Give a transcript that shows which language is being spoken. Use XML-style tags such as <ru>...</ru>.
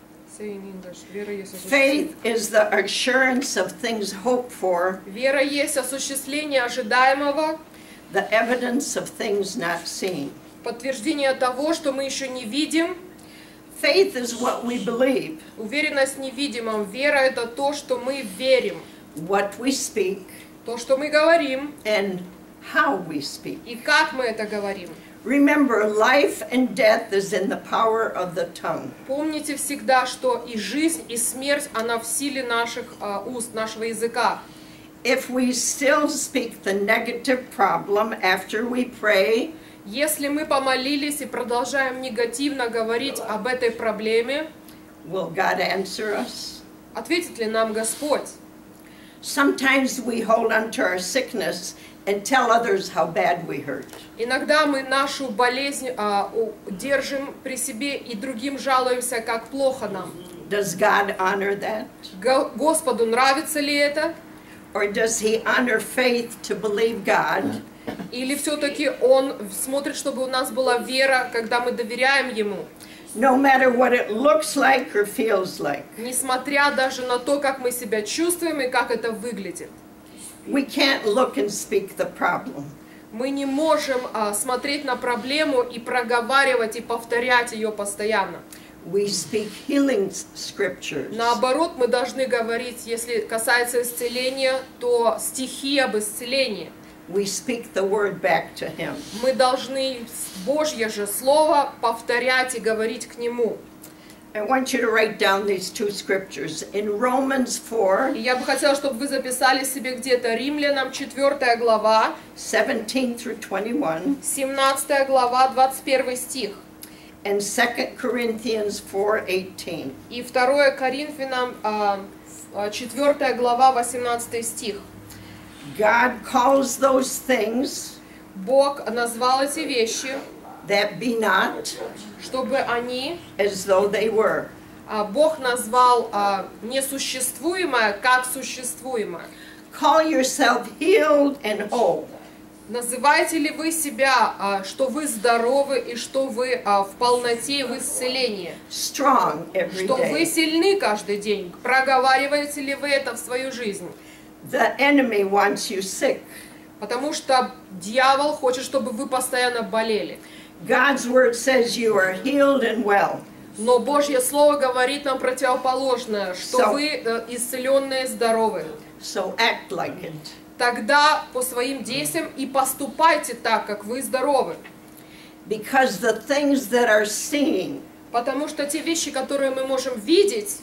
<en>Faith is the assurance of things hoped for.</en> <ru>Вера есть осуществление ожидаемого.</ru> <en>The evidence of things not seen.</en> <ru>Подтверждение того, что мы еще не видим.</ru> <en>Faith is what we believe.</en> <ru>Уверенность в невидимом. Вера это то, что мы верим.</ru> <en>What we speak.</en> <ru>То, что мы говорим.</ru> <en>And how we speak.</en> <ru>И как мы это говорим.</ru> <en>Remember, life and death is in the power of the tongue.</en> <ru>Помните всегда, что и жизнь, и смерть, она в силе наших уст, нашего языка.</ru> <en>If we still speak the negative problem after we pray,</en> <ru>если мы помолились и продолжаем негативно говорить об этой проблеме,</ru> <en>will God answer us?</en> <ru>Ответит ли нам Господь?</ru> <en>Sometimes we hold on to our sickness and tell others how bad we hurt.</en> <ru>Иногда мы нашу болезнь держим при себе и другим жалуемся, как плохо нам.</ru> <en>Does God honor that?</en> <ru>Господу нравится ли это?</ru> <en>Or does He honor faith to believe God?</en> <ru>Или все-таки Он смотрит, чтобы у нас была вера, когда мы доверяем Ему?</ru> <en>No matter what it looks like or feels like.</en> <ru>Несмотря даже на то, как мы себя чувствуем и как это выглядит.</ru> <en>We can't look and speak the problem.</en> <ru>Мы не можем смотреть на проблему и проговаривать и повторять ее постоянно.</ru> <en>We speak healing scriptures.</en> <ru>Наоборот, мы должны говорить, если касается исцеления, то стихи об исцелении.</ru> <en>We speak the word back to Him.</en> <ru>Мы должны Божье же слово повторять и говорить к Нему.</ru> <en>I want you to write down these two scriptures in Romans 4.</en> <ru>Я бы хотела, чтобы вы записали себе где-то Римлянам 4 глава</ru> <en>17 through 21.</en> <ru>17 глава 21 стих.</ru> <en>And 2 Corinthians 4:18.</en> <ru>И 2 Коринфянам 4 глава 18 стих.</ru> <en>God calls those things.</en> <ru>Бог назвал эти вещи.</ru> <en>That be not.</en> <ru>Чтобы они.</ru> <en>As though they were.</en> <ru>Бог назвал несуществуемое как существуемое.</ru> <en>Call yourself healed and whole.</en> <ru>Называете ли вы себя, что вы здоровы и что вы в полноте и в исцелении?</ru> <en>Strong every day.</en> <ru>Что вы сильны каждый день? Проговариваете ли вы это в свою жизнь?</ru> <en>The enemy wants you sick.</en> <ru>Потому что дьявол хочет, чтобы вы постоянно болели.</ru> <en>God's word says you are healed and well.</en> <ru>Но Божье слово говорит нам противоположное, что</ru> <en>so,</en> <ru>вы исцеленные, здоровы.</ru> <en>So act like it.</en> <ru>Тогда по своим действиям и поступайте так, как вы здоровы.</ru> <en>Because the things that are seen.</en> <ru>Потому что те вещи, которые мы можем видеть</ru>